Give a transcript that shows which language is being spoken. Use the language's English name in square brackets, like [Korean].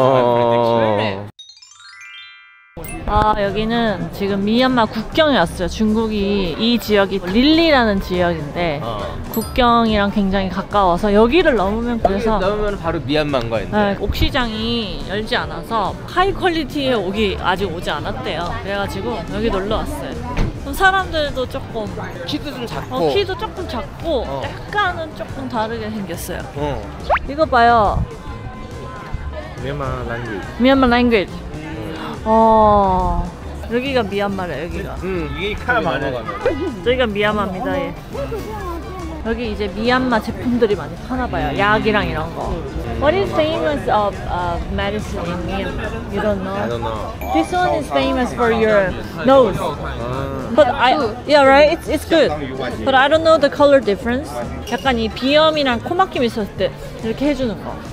[Chinese] 这串能大概能值多少？看看，大概估估一下。Anyway，哦，这条街，measurement是很好的。嗯，表情也很好的。7,800。7,800，minimum。哦，1,200。哦，good。谢谢。谢谢。来， [English] my prediction。 [Chinese] 哦。 [Korean] 아 여기는 지금 미얀마 국경에 왔어요. 중국이 이 지역이 릴리라는 지역인데 국경이랑 굉장히 가까워서 여기를 넘으면 그래서 여기 넘으면 바로 미얀마인 거 같은데. 네, 옥시장이 열지 않아서 하이 퀄리티의 옥이 아직 오지 않았대요. 그래가지고 여기 놀러 왔어요. 사람들도 조금 키도 좀 작고 키도 조금 작고 약간은 조금 다르게 생겼어요. 어. 이거 봐요. 미얀마 language. 미얀마 language. 어 여기가 미얀마래. 여기가 이게 칼 많아. 저기가 미얀마입니다. 예. 여기 이제 미얀마 제품들이 많이 파나봐요. 약이랑 이런 거. [English] What is famous of medicine in Myanmar? You don't know? I don't know. This one is famous for your nose. But I yeah right? It's good. But I don't know the color difference. [Korean] 약간 이 비염이랑 코막힘 있었을 때 이렇게 해주는 거.